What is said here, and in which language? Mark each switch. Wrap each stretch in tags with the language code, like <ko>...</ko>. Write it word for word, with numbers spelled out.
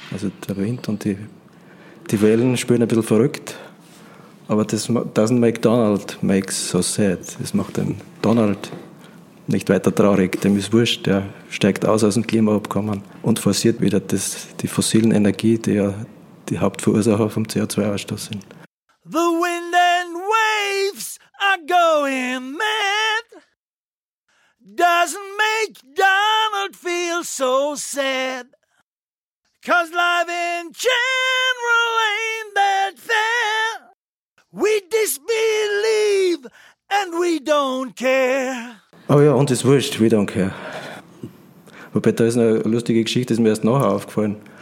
<de>Also der Wind und die, die Wellen spielen ein bisschen verrückt. Aber das</de> <en>doesn't make Donald makes so sad.</en> <de>Das macht den Donald nicht weiter traurig. Dem ist wurscht, der steigt aus aus dem Klimaabkommen und forciert wieder das, die fossilen Energie, die ja die Hauptverursacher vom C O zwei Ausstoß sind.</de> <en>The wind and waves are going mad. Doesn't make Donald feel so sad. Cause life in general ain't that fair. We disbelieve and we don't care.</en> <de>Oh ja, und das wurscht,</de> <en>we don't care.</en> <de>Wobei, da ist eine lustige Geschichte, das ist mir erst nachher aufgefallen.</de>